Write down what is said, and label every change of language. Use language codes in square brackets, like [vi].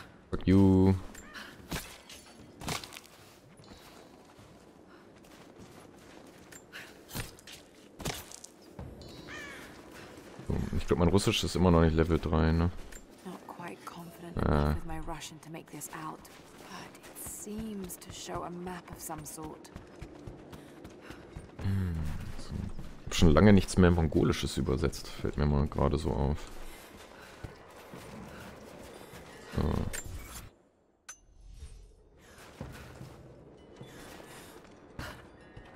[en] Fuck you. [de] So, ich glaube, mein Russisch ist immer noch nicht Level 3, ne? [en] Not quite confident enough with my Russian to make this out, but it seems to show a map of some sort. [de] Schon lange nichts mehr Mongolisches übersetzt, fällt mir mal gerade so auf. Ah.